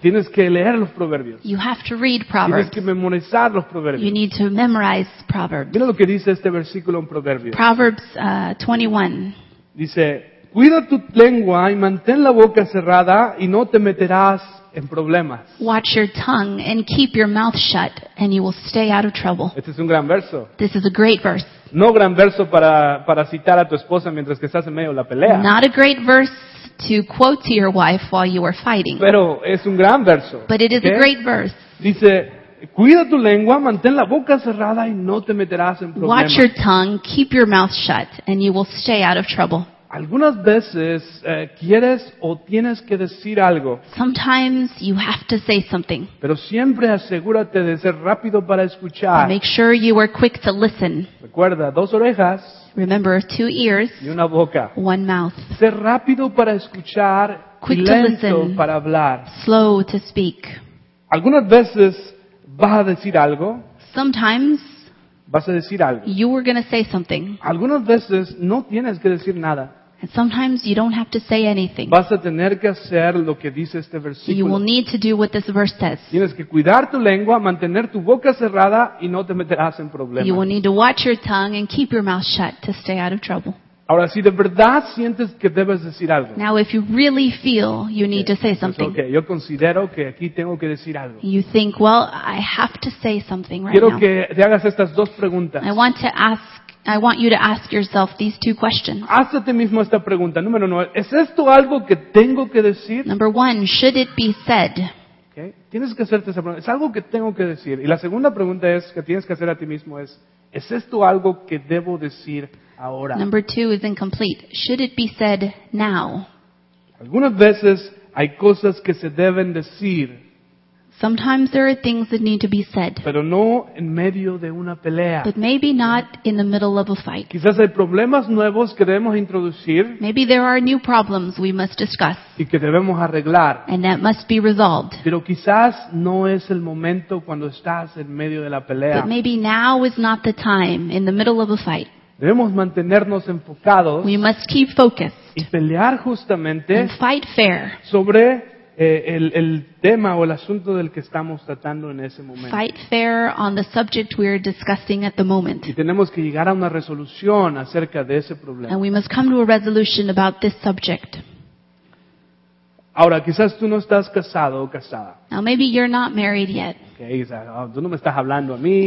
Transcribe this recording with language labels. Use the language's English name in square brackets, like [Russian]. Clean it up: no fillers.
[Spanish] Tienes que leer los Proverbios. [English] You have to read Proverbs. [Spanish] Tienes que memorizar los Proverbios. [English] You need to memorize Proverbs. [Spanish] Mira lo que dice este versículo en Proverbios. [English] Proverbs 21. [Spanish] Dice, cuida tu lengua y mantén la boca cerrada y no te meterás. [English] Watch your tongue and keep your mouth shut, and you will stay out of trouble. [Spanish] Este es un gran verso. [English] This is a great verse. [Spanish] No gran verso para citar a tu esposa mientras que estás en medio de la pelea. [English] Not a great verse to quote to your wife while you are fighting. [Spanish] Pero es un gran verso. [English] But it is a great verse. [Spanish] Dice, cuida tu lengua, mantén la boca cerrada y no te meterás en problemas. [English] Watch your tongue, keep your mouth shut, and you will stay out of trouble. [Spanish] Algunas veces quieres o tienes que decir algo. [English] Sometimes you have to say something. [Spanish] Pero siempre asegúrate de ser rápido para escuchar. [English] Make sure you are quick to listen. [Spanish] Recuerda, dos orejas. [English] Remember, two ears. [Spanish] Y una boca. [English] One mouth. [Spanish] Ser rápido para escuchar. [English] Quick [Spanish] y lento [English] to listen, [Spanish] para hablar. [English] Slow to speak. [Spanish] Algunas veces vas a decir algo. [English] Sometimes. [Spanish] Vas a decir algo. [English] You were going to say something. [Spanish] Algunas veces no tienes que decir nada. [English] And sometimes you don't have to say anything. [Spanish] Vas a tener que hacer lo que dice este versículo. [English] You will need to do what this verse says. [Spanish] Tienes que cuidar tu lengua, mantener tu boca cerrada y no te meterás en problemas. [English] You will need to watch your tongue and keep your mouth shut to stay out of trouble. [Spanish] Ahora, si de verdad sientes que debes decir algo. [English] Now, if you really feel you need to say something. [Spanish] Pues, okay, yo considero que aquí tengo que decir algo. [English] You think, well, I have to say something right [Spanish] Quiero [English] now. [Spanish] Quiero que te hagas estas dos preguntas. [English] I want you to ask yourself these two questions. [Spanish] Hazte mismo esta pregunta. Número uno, ¿es esto algo que tengo que decir? [English] Number one, should it be said? Okay. [Spanish] Tienes que hacerte esa pregunta. ¿Es algo que tengo que decir? Y la segunda pregunta es que tienes que hacer a ti mismo es, ¿es esto algo que debo decir ahora? [English] Number two is incomplete. Should it be said now? [Spanish] Algunas veces hay cosas que se deben decir. [English] Sometimes there are things that need to be said. [Spanish] Pero no en medio de una pelea. [English] But maybe not in the middle of a fight. [Spanish] Quizás hay problemas nuevos que debemos introducir. [English] Maybe there are new problems we must discuss. [Spanish] Y que debemos arreglar. [English] And that must be resolved. [Spanish] Pero quizás no es el momento cuando estás en medio de la pelea. [English] But maybe now is not the time in the middle of a fight. [Spanish] Debemos mantenernos enfocados. [English] We must keep focused. [Spanish] Y pelear justamente. [English] And fight fair. [Spanish] Sobre el tema o el asunto del que estamos tratando en ese momento. [English] Fight fair on the subject we are discussing at the moment. [Spanish] Y tenemos que llegar a una resolución acerca de ese problema. [English] And we must come to a resolution about this subject. [Spanish] Ahora, quizás tú no estás casado o casada. [English] Now maybe you're not married yet. [Spanish] Okay, tú no me estás hablando a mí.